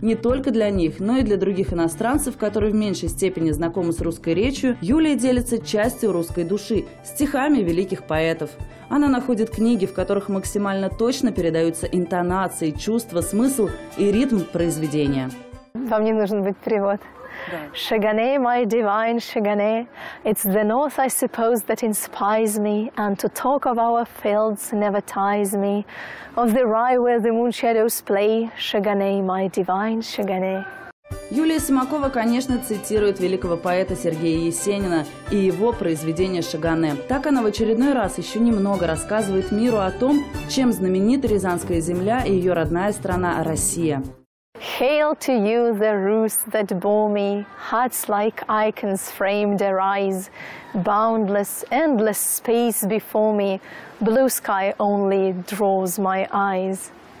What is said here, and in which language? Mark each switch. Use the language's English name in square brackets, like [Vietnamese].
[Russian] Не только для них, но и для других иностранцев, которые в меньшей степени знакомы с русской речью, Юлия делится частью русской души – стихами великих поэтов. Она находит книги, в которых максимально точно передаются интонации, чувства, смысл и ритм произведения. Вам не нужен быть перевод. [English] Шагане, my divine Шагане, it's the north, I suppose, that inspires me, and to talk of our fields never ties me, of the rye where the moon shadows play, Шагане, my divine Шагане. [Russian] Юлия Симакова, конечно, цитирует великого поэта Сергея Есенина и его произведение «Шагане». Так она в очередной раз еще немного рассказывает миру о том, чем знаменита Рязанская земля и ее родная страна Россия. [English] Hail to you, the roots that bore me, hearts like icons framed arise, boundless, endless space before me, blue sky only draws my eyes.